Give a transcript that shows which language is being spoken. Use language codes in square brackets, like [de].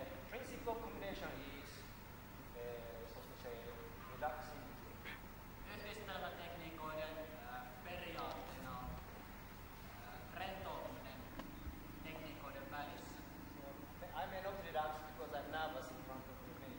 [en] Principle of combination is so to say relaxing. [fi] Yhdistelmä tekniikoiden periaatteena on rentoutuminen tekniikoiden välissä. [en] So, I may not relax because I'm nervous in front of the many